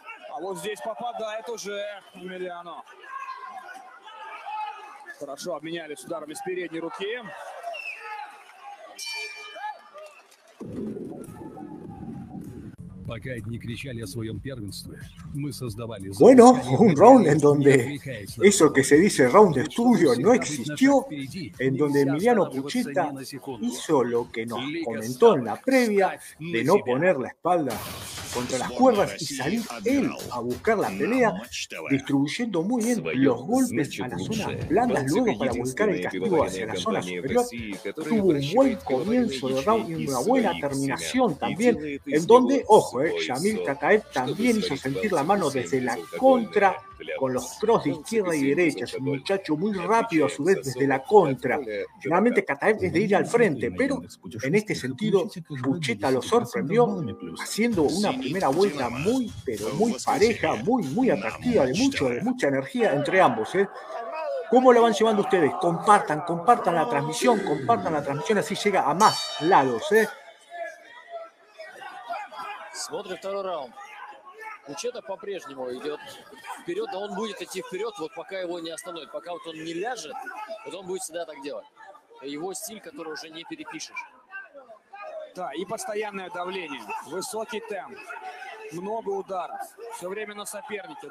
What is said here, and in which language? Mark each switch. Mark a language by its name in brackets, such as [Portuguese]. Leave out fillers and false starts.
[Russian] А вот здесь попадает уже Эмилиано. Хорошо, обменялись ударами с передней руки. Пока одни кричали о своем первенстве, мы создавали... [Spanish] Бueno, un раунд, en donde eso que se dice раунд estudio no existió, en donde Emiliano Pucheta hizo lo que nos comentó en la previa de no poner la espalda contra las cuerdas y salir él a buscar la pelea, distribuyendo muy bien los golpes a las zonas blandas, luego para buscar el castigo hacia la zona superior. Tuvo un buen comienzo de round y una buena terminación también, en donde, ojo, Shamil Tataev también hizo sentir la mano desde la contra con los cross de izquierda y derecha. Es un muchacho muy rápido, a su vez, desde la contra. Generalmente Kataev es de ir al frente, pero en este sentido, Pucheta lo sorprendió haciendo una primera vuelta muy, pero muy pareja, muy, muy atractiva, de mucho, de mucha energía entre ambos, ¿eh? ¿Cómo la van llevando ustedes? Compartan, compartan la transmisión, compartan la transmisión, así llega a más lados, ¿eh? [Russian] Смотрим второй раунд. Пучета по-прежнему идет вперед, но он будет идти вперед, вот пока его не остановит. Пока вот он не ляжет, вот он будет всегда так делать. Его стиль, который уже не перепишешь. Да, и постоянное давление, высокий темп, много ударов, все время на сопернике.